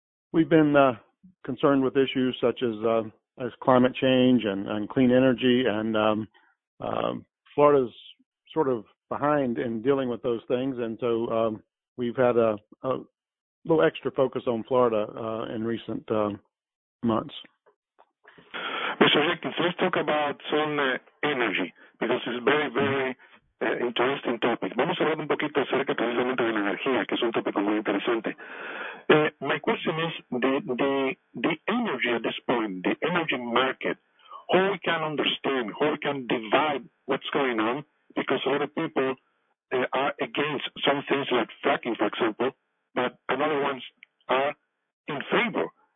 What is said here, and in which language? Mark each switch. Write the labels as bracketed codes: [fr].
[en] We've been concerned with issues such as climate change and clean energy, and Florida's sort of behind in dealing with those things, and so we've had a little extra focus on Florida in recent months. Mr. Jenkins, let's talk about some energy, because it's a very, very interesting topic. [es] Vamos a hablar un poquito acerca precisamente de la energía, que es un tópico muy interesante. [en] My question is, the energy at this point, the energy market, how we can understand, how we can divide what's going on, because a lot of people are against some things like fracking, for example, but another ones are in favor.